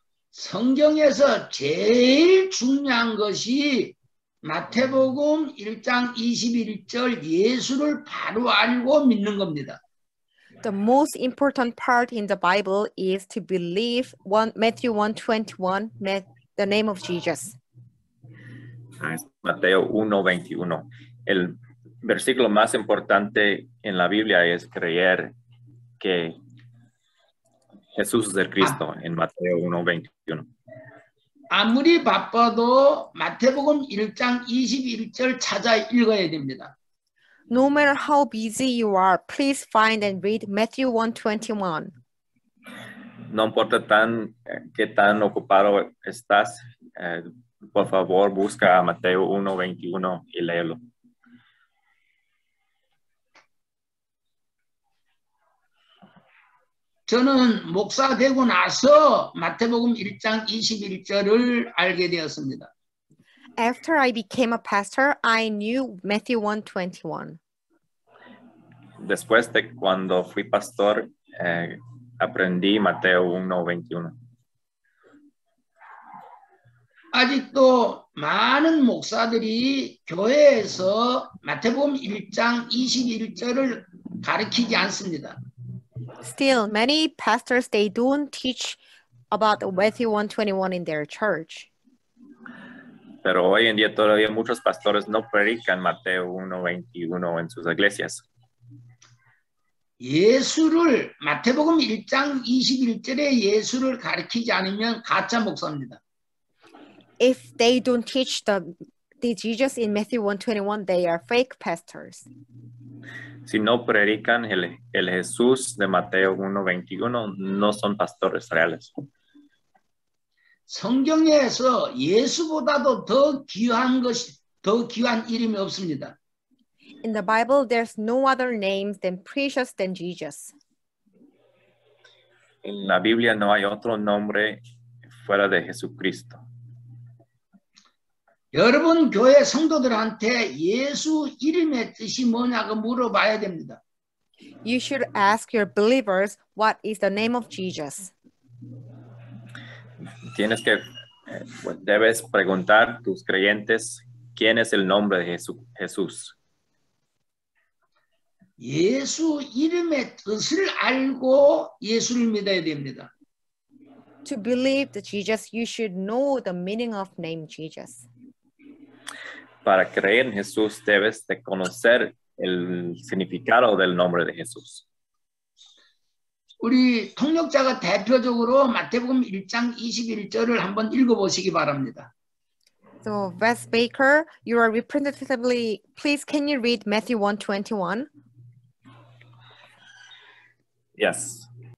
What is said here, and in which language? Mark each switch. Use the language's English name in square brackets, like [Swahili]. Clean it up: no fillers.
[Korean] 성경에서 제일 중요한 것이 마태복음 1장 21절 예수를 바로 알고 믿는 겁니다. [English] The most important part in the Bible is to believe Matthew 1:21, the name of Jesus. [Spanish] Mateo 1:21. El versículo más importante en la Biblia es creer que Jesús es el Cristo en Mateo 1:21. [Korean] 아무리 바빠도 마태복음 1장 21절 찾아 읽어야 됩니다. [English] No matter how busy you are, please find and read Matthew 1:21. [Spanish] No importa qué tan ocupado estás, por favor busca Mateo 1:21 y léelo. [Korean] 저는 목사 되고 나서 마태복음 1장 21절을 알게 되었습니다. [English] After I became a pastor, I knew Matthew 1:21. [Spanish] Después de cuando fui pastor, aprendí Mateo 1:21. [Korean] 아직도 많은 목사들이 교회에서 마태복음 1장 21절을 가르치지 않습니다. [English] Still, many pastors, they don't teach about Matthew 1:21 in their church. [Spanish] Pero hoy en día todavía muchos pastores no predican Mateo 1:21 en sus iglesias. [Korean] 예수를, 마태복음 1장 21절에 예수를 가르치지 않으면 가짜 목사입니다. [English] If they don't teach the Jesus in Matthew 1:21, they are fake pastors. [Spanish] Si no predican el Jesús de Mateo 1:21, no son pastores reales. [Korean] 성경에서 예수보다도 더 귀한 것이 더 귀한 이름이 없습니다. [English] In the Bible, there's no other name than precious than Jesus. [Spanish] En la Biblia no hay otro nombre fuera de Jesucristo. [Korean] 여러분 교회 성도들한테 예수 이름의 뜻이 뭐냐고 물어봐야 됩니다. [English] You should ask your believers what is the name of Jesus. [Spanish] Debes preguntar tus creyentes quién es el nombre de Jesús. [Korean] 예수 이름의 뜻을 알고 예수를 믿어야 됩니다. [English] To believe the Jesus, you should know the meaning of name Jesus. [Spanish] Para creer en Jesús, debes de conocer el significado del nombre de Jesús. [Korean] 우리 통역자가 대표적으로 마태복음 1장 21절을 한번 읽어보시기 바랍니다. [English] So, Wes Baker, you are representatively, please, can you read Matthew 1:21? Yes.